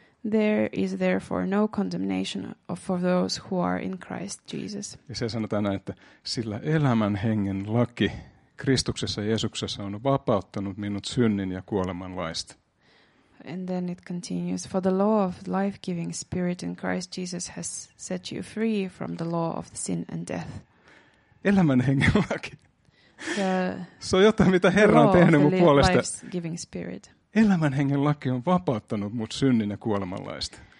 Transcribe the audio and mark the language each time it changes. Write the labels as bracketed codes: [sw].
[en] There is therefore no condemnation for those who are in Christ Jesus. [fi] Ja se sanotaan näin, että sillä elämän hengen laki Kristuksessa Jeesuksessa on vapauttanut minut synnin ja kuoleman laista. [en] And then it continues, for the law of life-giving spirit in Christ Jesus has set you free from the law of sin and death. [fi] Elämän hengen laki. Se on jotain, mitä Herra on tehnyt mun puolesta. Elämän hengen laki on vapauttanut mut synnin ja kuoleman laista.